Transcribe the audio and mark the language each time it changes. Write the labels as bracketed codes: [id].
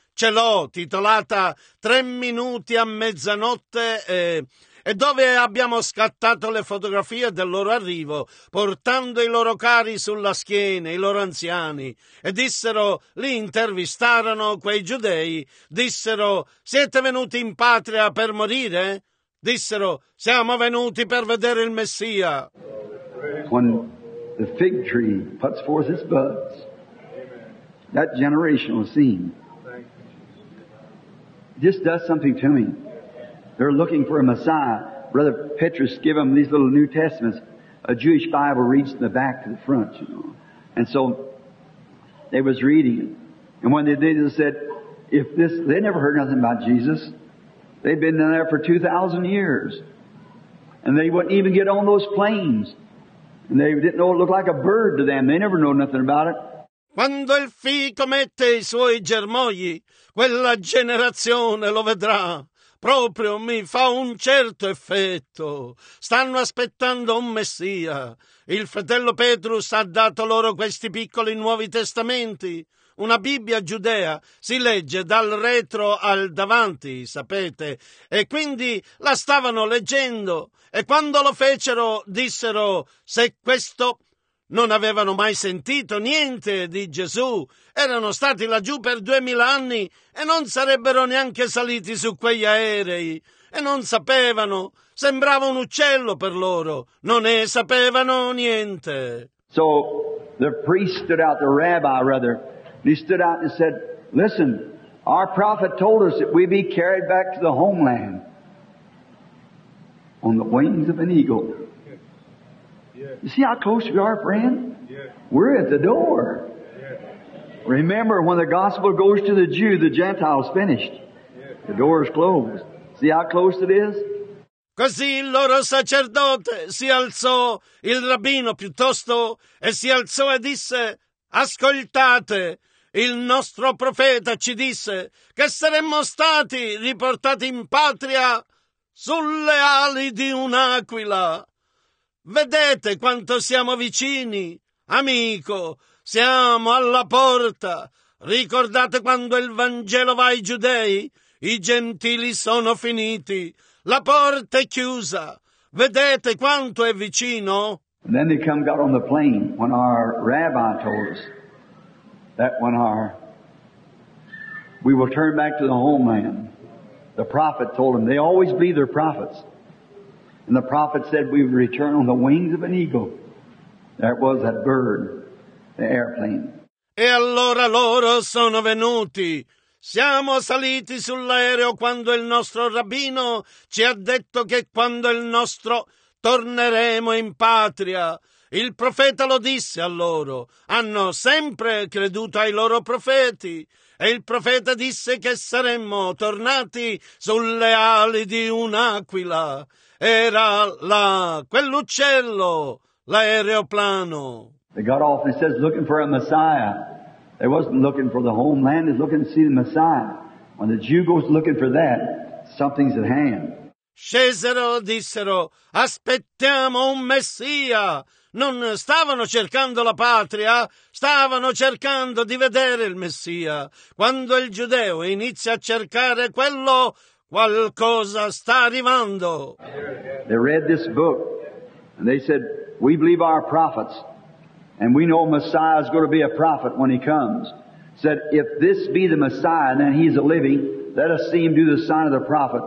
[it] Ce l'ho, titolata 3 minuti a mezzanotte e dove abbiamo scattato le fotografie del loro arrivo, portando i loro cari sulla schiena, i loro anziani. E dissero, li intervistarono quei giudei, dissero, siete venuti in patria per morire? Dissero, siamo venuti per vedere il Messia. [en] When the fig tree puts forth its buds, that generation was seen. This does something to me. They're looking for a Messiah. Brother Petrus gave them these little New Testaments. A Jewish Bible reads from the back to the front, you know. And so they was reading it. And when they did, they said, if this, they never heard nothing about Jesus. They'd been down there for 2,000 years. And they wouldn't even get on those planes. And they didn't know it looked like a bird to them. They never know nothing about it. [it] Quando il fico mette i suoi germogli, quella generazione lo vedrà. Proprio mi fa un certo effetto. Stanno aspettando un Messia. Il fratello Petrus ha dato loro questi piccoli nuovi testamenti. una Bibbia giudea si legge dal retro al davanti, sapete, e quindi la stavano leggendo e quando lo fecero dissero se questo non avevano mai sentito niente di Gesù, erano stati laggiù per 2000 anni e non sarebbero neanche saliti su quegli aerei e non sapevano, sembrava un uccello per loro, non ne sapevano niente. [en] So the priest stood out, the rabbi rather, and he stood out and said, listen, our prophet told us that we'd be carried back to the homeland on the wings of an eagle. You see how close we are, friend? We're at the door. Remember, when the gospel goes to the Jew, the Gentile's finished. The door is closed. See how close it is? [it] Così il loro sacerdote si alzò, il rabbino piuttosto, e si alzò e disse, ascoltate, il nostro profeta ci disse che saremmo stati riportati in patria sulle ali di un'aquila. Vedete quanto siamo vicini, amico, siamo alla porta. Ricordate quando il Vangelo va ai giudei? I gentili sono finiti. La porta è chiusa. Vedete quanto è vicino? [en] And then they come got on the plane when our rabbi told us that when our we will turn back to the homeland. The prophet told them, they always be their prophets. And the prophet said we would return on the wings of an eagle. That was that bird, the airplane. [it] E allora loro sono venuti. Siamo saliti sull'aereo quando il nostro rabbino ci ha detto che quando il nostro torneremo in patria. Il profeta lo disse a loro. Hanno sempre creduto ai loro profeti. E il profeta disse che saremmo tornati sulle ali di un'aquila. Era là, quell'uccello, l'aeroplano. [en] They got off and says looking for a Messiah. They wasn't looking for the homeland, they're looking to see the Messiah. When the Jew goes looking for that, something's at hand. [it] Scesero, dissero, aspettiamo un Messia. Non stavano cercando la patria, stavano cercando di vedere il Messia. Quando il giudeo inizia a cercare quello, qualcosa sta arrivando. [en] They read this book and they said, we believe our prophets. And we know Messiah is going to be a prophet when he comes. Said, if this be the Messiah, then he's a living. Let us see him do the sign of the prophet.